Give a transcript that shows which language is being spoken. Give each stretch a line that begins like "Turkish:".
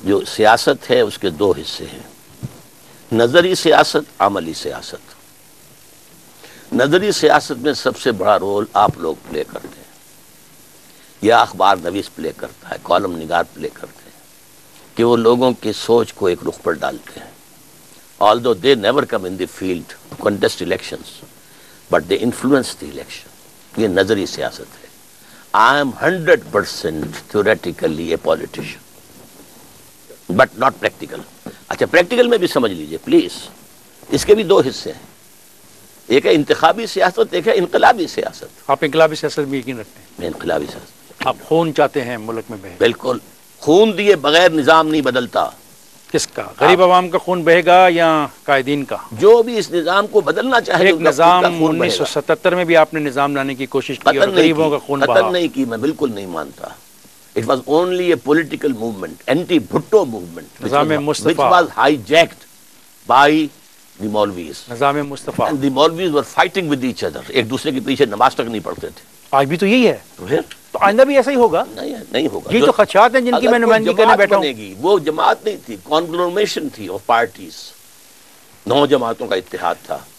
Urdu: جو سیاست ہے اس کے دو حصے ہیں، نظری سیاست، عملی سیاست. نظری سیاست میں سب سے بڑا رول آپ لوگ پلے کرتے ہیں، یا اخبار نویس پلے کرتا ہے، کالم نگار پلے کرتے ہیں، کہ وہ لوگوں کی سوچ کو ایک رخ پر ڈالتے ہیں.
English: Although they never come in the field to contest elections, but they influence the election.
Urdu: یہ نظری سیاست ہے.
English: I am 100% theoretically a politician, but not practical.
Urdu: اچھا، practical میں بھی سمجھ لیجئے پلیز، اس کے بھی دو حصے ہیں، ایک ہے انتخابی سیاست، ایک ہے انقلابی سیاست. آپ انقلابی سیاست بھی یقین رکھتے ہیں؟ میں انقلابی سیاست. آپ خون چاہتے ہیں ملک میں بہے؟ بالکل. خون دیے بغیر نظام نہیں بدلتا. کس کا؟ غریب عوام کا خون بہے گا یا قائدین کا؟ جو بھی اس نظام کو بدلنا چاہے. ایک نظام 1977 میں بھی آپ نے نظام لانے کی کوشش کی اور غریبوں کا خون بہا؟ قتل نہیں کی، میں بالکل نہیں مانتا.
English: it was only a political movement, anti Bhutto movement,
Urdu: نظام مصطفیٰ،
English: Which was hijacked by the maulvis.
Urdu: نظام مصطفیٰ
English: and the maulvis were fighting with each other,
Urdu: ایک دوسرے کے پیچھے نماز تک نہیں پڑھتے تھے. آج بھی تو یہی ہے، تو آئندہ بھی ایسا ہی ہوگا؟ نہیں ہوگا. یہ تو خدشات ہیں جن کی میں نمائندگی کرنے بیٹھا ہوں. وہ جماعت نہیں تھی، کانگلومریشن تھی آف پارٹیز، نو جماعتوں کا اتحاد تھا.